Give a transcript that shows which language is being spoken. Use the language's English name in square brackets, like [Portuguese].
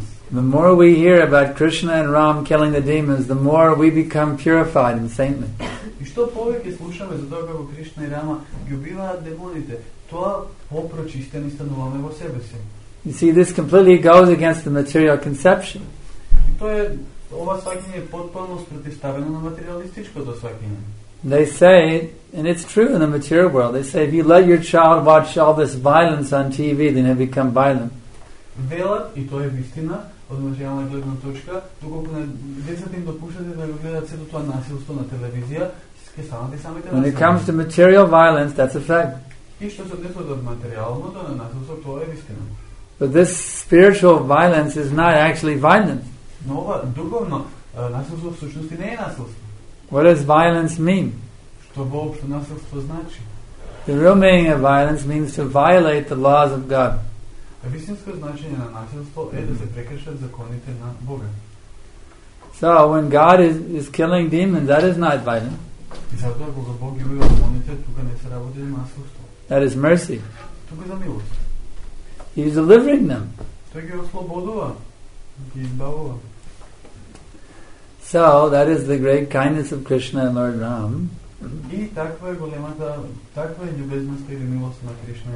[English] The more we hear about Krishna and Ram killing the demons, the more we become purified and saintly. [Macedonian] И што повеќе слушаме за тоа како Кришна и Рама ги убиваат демоните, тоа попрочистени стануваме во себе си. [English] You see, this completely goes against the material conception. [Macedonian] И тоа е, ова сваќање е потпуно спротивставено на материалистичкото сваќање. [English] They say, and it's true in the material world, they say, if you let your child watch all this violence on TV, then they become violent. [Macedonian] Велат, и тоа е вистина, од материална гледна точка, доколку не децата им допуштате да го гледат сето тоа насилство на телевизија, ќе станат и самите насилни. [English] When it comes to material violence, that's a fact. [Macedonian] И што се однесува до материјалното на насилство, тоа е вистина. [English] But this spiritual violence is not actually violence. [Macedonian] Но ова духовно насилство во сушност не е насилство. [English] What does violence mean? [Macedonian] Што воопшто насилство значи? [English] The real meaning of violence means to violate the laws of God. [Macedonian] Вистинско значење на насилство е да се прекршат законите на Бога. [English] So when God is killing demons, that is not violent. [Macedonian] И затоа кога Бог ги убива демоните, тука не се работи за насилство. [English] That is mercy. [Macedonian] Тука за милост. [English] He is delivering them. [Macedonian] Тој ги ослободува, ги избавува. [English] So that is the great kindness of Krishna and Lord Ram. [Macedonian] И таква е големата, таква е љубезноста или милост на Кришна.